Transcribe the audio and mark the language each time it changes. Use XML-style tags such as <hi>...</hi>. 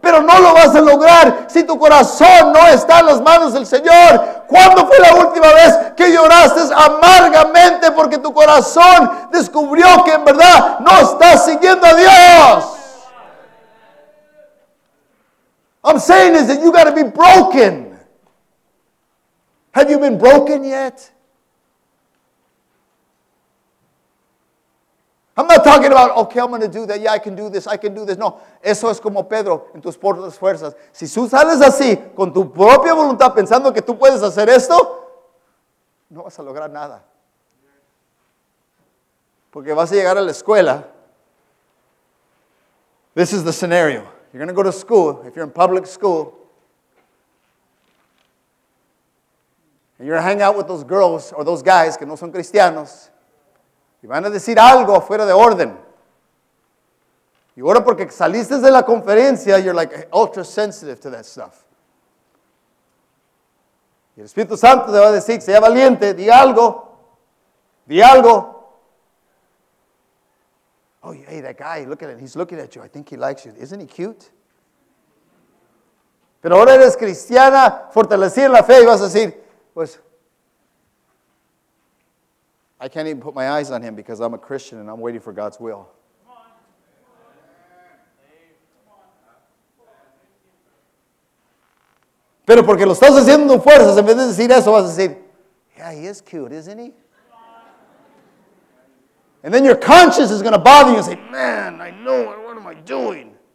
<es>Pero no lo vas a lograr si tu corazón no está en las manos del Señor. ¿Cuándo fue la última vez que lloraste amargamente porque tu corazón descubrió que en verdad no estás siguiendo a Dios?</es> <en>I'm saying is that you got to be broken. Have you been broken yet? I'm not talking about, okay, I'm going to do that. Yeah, I can do this. I can do this.</en> <es>No, eso es como Pedro en tus propias fuerzas. Si tú sales así con tu propia voluntad pensando que tú puedes hacer esto, no vas a lograr nada. Porque vas a llegar a la escuela.</es> <en>This is the scenario. You're going to go to school. If you're in public school, you're hanging out with those girls or those guys</en> <es>que no son cristianos. Y van a decir algo fuera de orden. Y ahora porque saliste de la conferencia,</es> <en>you're like ultra sensitive to that stuff.</en> <es>Y el Espíritu Santo te va a decir, sea valiente, di algo. Di algo.</es> <en>Oh, hey, that guy, look at him. He's looking at you. I think he likes you. Isn't he cute?</en> <es>Pero ahora eres cristiana, fortalecida en la fe y vas a decir, pues,</es> <en>I can't even put my eyes on him because I'm a Christian and I'm waiting for God's will.</en> <es>Pero porque lo estás haciendo fuerzas, en vez de decir eso, vas a decir,</es> <en>yeah, he is cute, isn't he? And then your conscience is going to bother you and say, man, I know, what am I doing?</en>